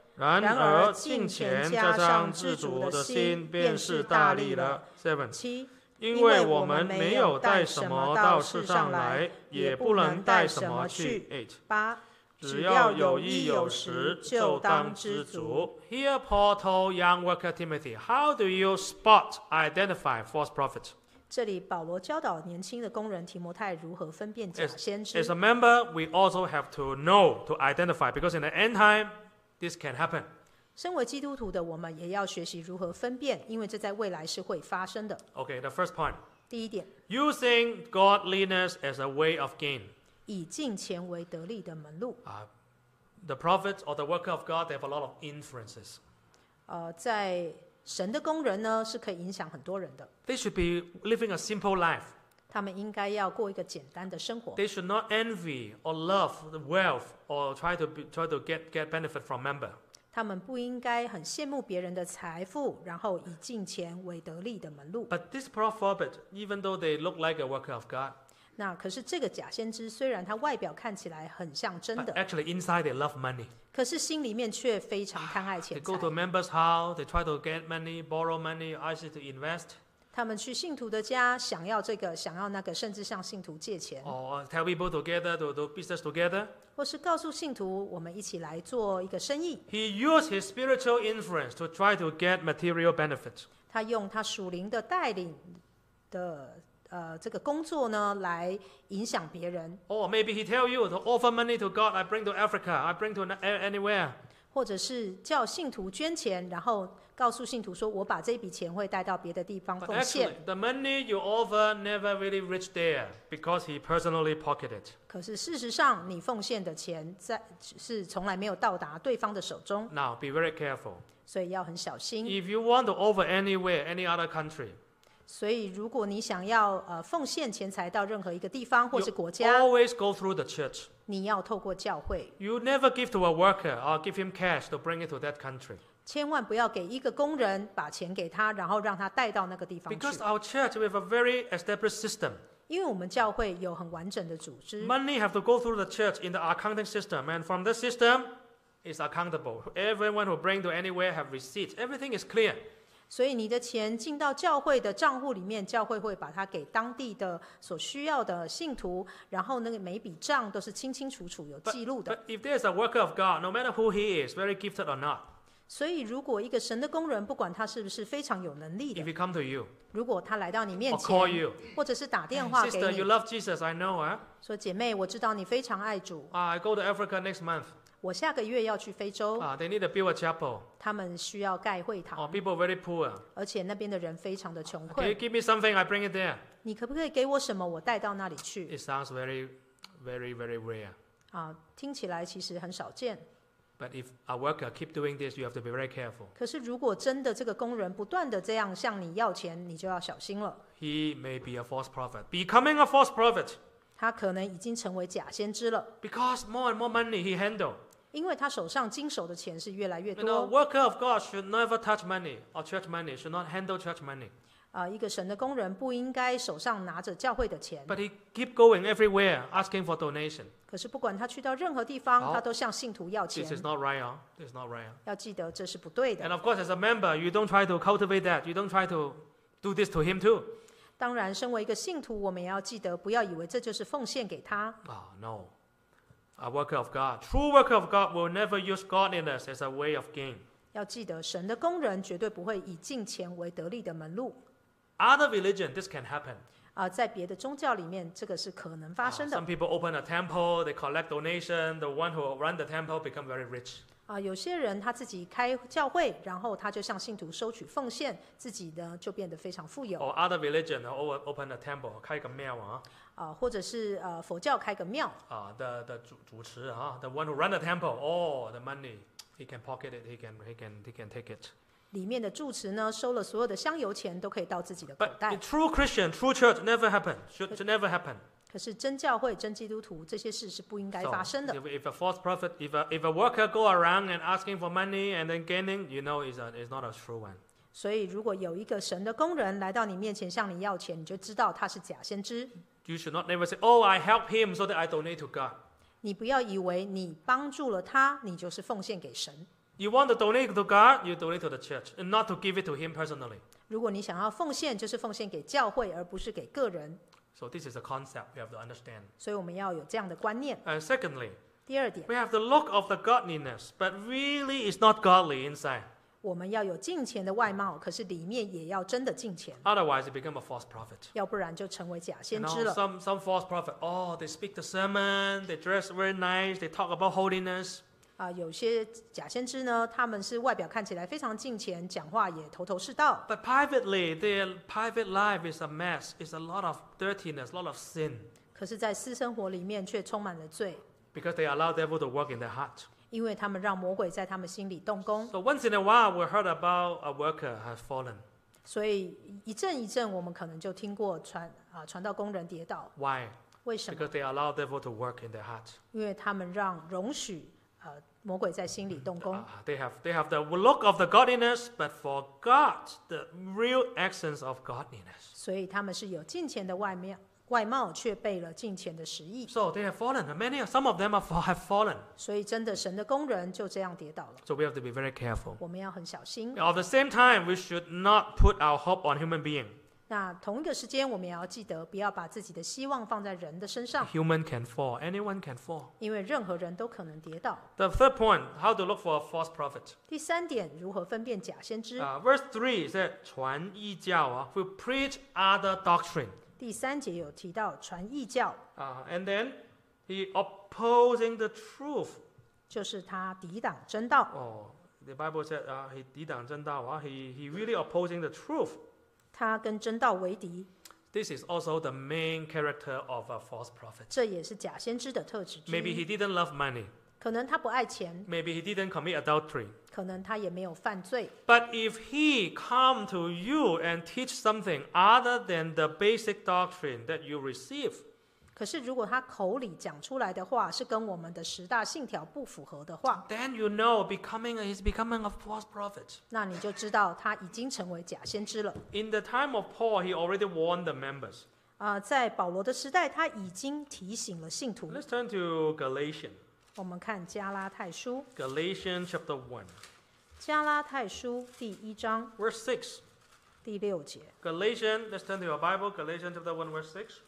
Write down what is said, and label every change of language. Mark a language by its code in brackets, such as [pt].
[zh] 然而敬虔加上自主的心，便是大力了。 [en] Seven, [zh] 七，因为我们没有带什么到世上来，也不能带什么去。 8. 八，只要有意有时，就当知足。 [en] Here Paul told young worker Timothy, how do you spot, identify false prophets? [zh] 这里保罗教导年轻的工人提摩太如何分辨假先知。 [en] As a member, we also have to know to identify, because in the end time, this can happen. [zh] 身为基督徒的我们也要学习如何分辨，因为这在未来是会发生的。 [en] Okay, the first point. [zh] 第一点。 [en] Using godliness as a way of gain. [zh] 以敬虔为得力的门路。 [en] The prophets or the worker of God, they have a lot of influences. [zh] 在神的工人呢，是可以影响很多人的。 [en] They should be living a simple life. [zh] 他们应该要过一个简单的生活。 [en] They should not envy or love the wealth or try to get benefit from member. [zh] 他们不应该很羡慕别人的财富，然后以敬虔为得力的门路。 [en] But this prophet, even though they look like a worker of God, [zh] 那可是这个假先知，虽然他外表看起来很像真的。 [en] But actually, inside they love money. [zh] 可是心里面却非常贪爱钱财。 [en] They go to a member's house, they try to get money, borrow money, ask to invest. [zh] 他们去信徒的家，想要这个，想要那个，甚至向信徒借钱。 [en] Tell people together to do business together. [zh] 或是告诉信徒，我们一起来做一个生意。 [en] He used his spiritual influence to try to get material benefits. [zh] 他用他属灵的带领的这个工作呢，来影响别人。 [en] Maybe he tell you to offer money to God. I bring to Africa. I bring to anywhere. [zh] 或者是叫信徒捐钱，然后。告诉信徒说，我把这笔钱会带到别的地方奉献。 [en] Actually, the money you offer never really reached there because he personally pocketed. [zh] 可是事实上，你奉献的钱是从来没有到达对方的手中。 [en] Now be very careful. [zh] 所以要很小心。 [en] If you want to offer anywhere, any other country. [zh] 所以如果你想要奉献钱财到任何一个地方或是国家 [en] ，You always go through the church. [zh] 你要透过教会。 [en] You never give to a worker or give him cash to bring it to that country. [zh] 千万不要给一个工人把钱给他，然后让他带到那个地方去。 [en] Because our church we have a very established system. [zh] 因为我们教会有很完整的组织。 [en] Money have to go through the church in the accounting system, and from this system, it's accountable. Everyone who bring to anywhere have receipts. Everything is clear. [zh] 所以你的钱进到教会的账户里面，教会会把它给当地的所需要的信徒，然后那个每笔账都是清清楚楚有记录的。 [en] But if there's a worker of God, no matter who he is, very gifted or not. [zh] 所以如果一个神的工人不管他是不是非常有能力的 [en] If he come to you, [zh] 如果他来到你面前 [en] or call you, [zh] 或者是打电话给你 [en] Sister, you love Jesus, I know, [zh] 说姐妹我知道你非常爱主 [en] I go to Africa next month [zh] 我下个月要去非洲 [en] They need to build a chapel [zh] 他们需要盖会堂 [en] People are very poor [zh] 而且那边的人非常的穷困 [en] Can you give me something, I bring it there [zh] 你可不可以给我什么我带到那里去 [en] It sounds very, very, very rare [zh] 听起来其实很少见 [en] But if a worker keep doing this, you have to be very careful. [zh] 可是如果真的这个工人不断的这样向你要钱，你就要小心了。 [en] He may be a false prophet. Becoming a false prophet. [zh] 他可能已经成为假先知了。 [en] Because more and more money he handled. [zh] 因为他手上经手的钱是越来越多。 [en] You know, worker of God should never touch money or church money, should not handle church money. [zh] 一个神的工人不应该手上拿着教会的钱。 [en] But he keep going everywhere asking for donation. [zh] 可是不管他去到任何地方，他都向信徒要钱。 [en] This is not right, huh? This is not right. [zh] 要记得这是不对的。 [en] And of course, as a member, you don't try to cultivate that. You don't try to do this to him too. [zh] 当然，身为一个信徒，我们也要记得，不要以为这就是奉献给他。 [en] No. A worker of God, true worker of God, will never use godliness as a way of gain. [zh] 要记得，神的工人绝对不会以敬虔为得力的门路。 [en] Other religion, this can happen. [zh] 在别的宗教里面，这个是可能发生的。 [en] Some people open a temple, they collect donation. The one who run the temple become very rich. [zh] 有些人他自己开教会，然后他就向信徒收取奉献，自己呢就变得非常富有。 [en] Or other religion open a temple， [zh] 开个庙啊。或者是佛教开个庙。 [en] The [zh] 主持啊 [en] ，the one who run the temple， all the money he can pocket it， he can take it。 [zh] 里面的住持呢，收了所有的香油钱，都可以到自己的口袋。 [en] But true Christian， true church never happen， should never happen。 [zh] 可是真教会、真基督徒这些事是不应该发生的。 [en] So, if a false prophet, if a worker go around and asking for money and then gaining, you know, is not a true one. [zh] 所以如果有一个神的工人来到你面前向你要钱，你就知道他是假先知。 [en] You should not never say, "Oh, I help him so that I donate to God." [zh] 你不要以为你帮助了他，你就是奉献给神。 [en] You want to donate to God, you donate to the church, and not to give it to him personally. [zh] 如果你想要奉献，就是奉献给教会，而不是给个人。 [en] So this is a concept we have to understand. [zh] 所以我们要有这样的观念。 [en] And secondly, [zh] 第二点, [en] we have the look of the godliness, but really it's not godly inside. [zh] 我们要有敬虔的外貌，可是里面也要真的敬虔。 [en] Otherwise, you become a false prophet. [zh] 要不然就成为假先知了。 [en] Some false prophet, oh, they speak the sermon, they dress very nice, they talk about holiness. [zh] 有些假先知呢，他们是外表看起来非常敬虔，讲话也头头是道。 [en] But privately, their private life is a mess. It's a lot of dirtiness, a lot of sin. [zh] 可是，在私生活里面却充满了罪。 [en] Because they allow the devil to work in their heart. [zh] 因为他们让魔鬼在他们心里动工。 [en] So once in a while, we heard about a worker has fallen. [zh] 所以一阵一阵，我们可能就听过传道工人跌倒。 [en] Why? [zh] 为什么？ [en] Because they allow the devil to work in their heart. [zh] 因为他们让容许。魔鬼在心里动工。 [en] They have the look of the godliness, but for God, the real essence of godliness. [zh] 所以他们是有敬虔的外貌，却背了敬虔的实意。 [en] So they have fallen. Some of them have fallen. [zh] 所以真的神的工人就这样跌倒了。 [en] So we have to be very careful. [zh] 我们要很小心。 [en] At the same time, we should not put our hope on human being. [zh] 那同一个时间，我们也要记得不要把自己的希望放在人的身上。 [en] Human can fall, anyone can fall. [zh] 因为任何人都可能跌倒。 [en] The third point, how to look for a false prophet. [zh] 第三点，如何分辨假先知。 [en] Verse 3 says, [zh] 传异教啊 [en] ，will preach other doctrine. [zh] 第三节有提到传异教。 [en] And then he opposing the truth. [zh] 就是他抵挡真道。 [en] The Bible said, he [zh] 抵挡真道啊 [en] ，he really opposing the truth. [zh] 他跟真道为敌。 [en] This is also the main character of a false prophet. [zh] 这也是假先知的特质。 [en] Maybe he didn't love money. [zh] 可能他不爱钱。 [en] Maybe he didn't commit adultery. [zh] 可能他也没有犯罪。 [en] But if he come to you and teach something other than the basic doctrine that you receive, [zh] 可是如果他口里讲出来的话是跟我们的十大信条不符合的话， [en] then you know he's becoming a false prophet. [zh] 那你就知道他已经成为假先知了。 [en] In the time of Paul, he already warned the members. [zh] 在保罗的时代他已经提醒了信徒。 [en] Let's turn to Galatians. [zh] 我们看加拉太书。 [en] Galatians chapter 1. [zh] 加拉太书第一章。 [en] Verse 6. [zh] 第六节。 [en] Galatians, let's turn to your Bible, Galatians chapter 1, verse 6.